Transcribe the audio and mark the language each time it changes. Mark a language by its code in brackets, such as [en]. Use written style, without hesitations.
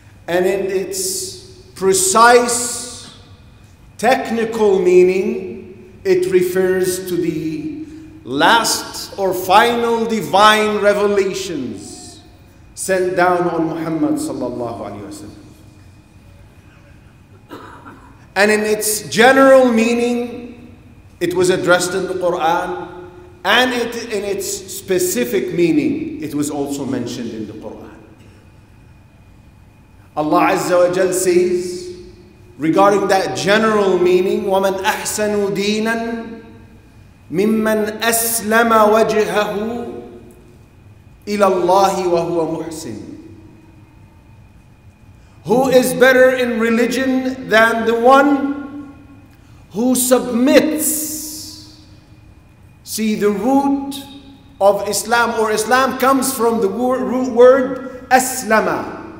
[en] And in its precise technical meaning, it refers to the last or final divine revelations sent down on Muhammad sallallahu alayhi wa sallam. And in its general meaning, it was addressed in the Quran, and in its specific meaning, it was also mentioned in the Quran. Allah Azza wa Jal says, regarding that general meaning, [ar] وَمَنْ أَحْسَنُ دِينًا مِمَّنْ أَسْلَمَ وَجْهَهُ إِلَى اللَّهِ وَهُوَ مُحْسِنٌ. [en] Who is better in religion than the one who submits? See, the root of Islam, or Islam comes from the root word aslama.